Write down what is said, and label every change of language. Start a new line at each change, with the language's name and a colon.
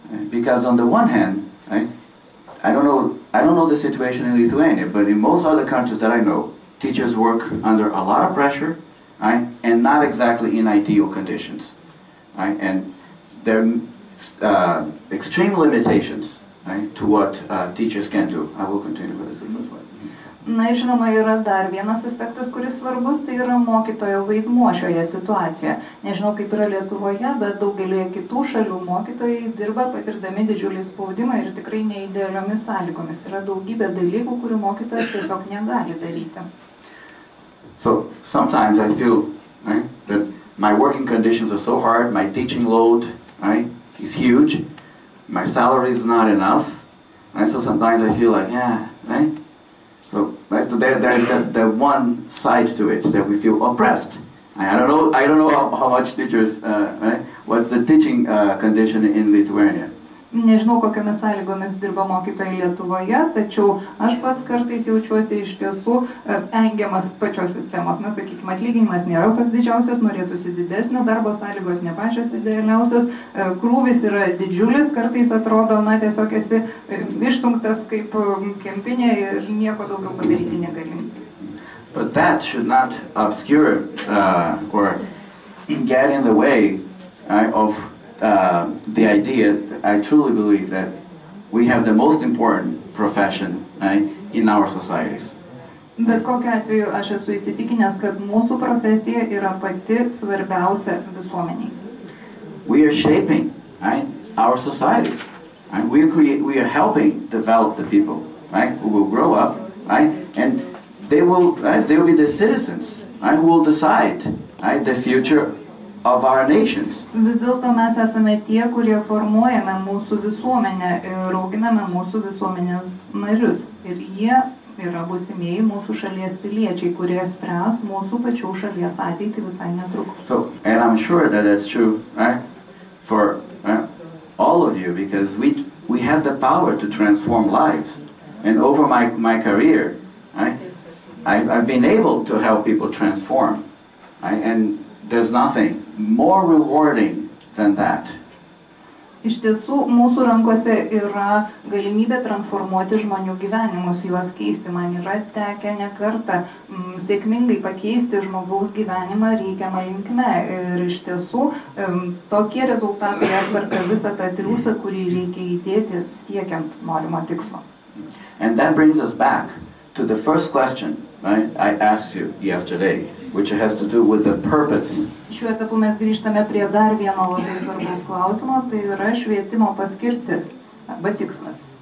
English: Because on the one hand, right, I don't know the situation in Lithuania, but in most other countries that I know, teachers work under a lot of pressure, right, and not exactly in ideal conditions, right, and there are extreme limitations, right, to what teachers can do. I will continue with this in the first slide.
Lithuanian: Na, žinoma, yra dar vienas aspektas, kuris svarbus, tai yra mokytojo vaidmuo šioje situacijoje. Nežinau, kaip yra Lietuvoje, bet daugelyje kitų šalių mokytojai dirba patirdami didžiulį spaudimą ir tikrai neidealiomis sąlygomis. Yra daugybė dalykų, kurių mokytojas tiesiog negali daryti.
English: So, sometimes I feel, right, that my working conditions are so hard, my teaching load, right, is huge, my salary is not enough, right, so sometimes I feel like, yeah, right? So, right, so there is that one side to it that we feel oppressed. I don't know how much teachers, right, what's the teaching condition in Lithuania.
Lithuanian: Nežinau, kokiamis sąlygomis dirba mokytojai Lietuvoje, tačiau aš pats kartais jaučiuosi iš tiesų engiamas pačios sistemos. Na, sakykime, atlyginimas nėra pats didžiausias, norėtųsi didesnio, darbo sąlygos ne pačios idealiausios, krūvis yra didžiulis, kartais atrodo, na, tiesiog esi išsunktas kaip kempinė ir nieko daugiau padaryti negali.
English: But that should not obscure or get in the way of the idea that I truly believe that we have the most important profession in our societies.
Lithuanian: Bet kokiu atveju aš esu įsitikinęs, kad mūsų profesija yra pati svarbiausia visuomenei.
English: We are shaping our societies. We are helping develop the people who will grow up and they will be the citizens who will decide the future of our nations.
Lithuanian: Vis dėlto mes esame tie, kurie formuojame mūsų visuomenę ir auginame mūsų visuomenės narius. Ir jie yra būsimieji mūsų šalies piliečiai, kurie spręs mūsų pačių šalies ateitį visai netrukus.
English: So, and I'm sure that that's true for all of you, because we have the power to transform lives. And over my career, I've been able to help people transform. And there's nothing more rewarding than that.
Lithuanian: Iš tiesų, mūsų rankose yra galimybė transformuoti žmonių gyvenimus, juos keisti. Man yra tekę ne kartą sėkmingai pakeisti žmogaus gyvenimą reikiamą linkme. Ir iš tiesų, tokie rezultatai atverka visą tą triusą, kurį reikia įdėti siekiant norimo tikslo.
English: And that brings us back to the first question I asked you yesterday, which has to do with the purpose.
Lithuanian: Šiuo etapu mes grįžtame prie dar vieno labai svarbaus klausimo, tai yra švietimo paskirtis arba tikslas.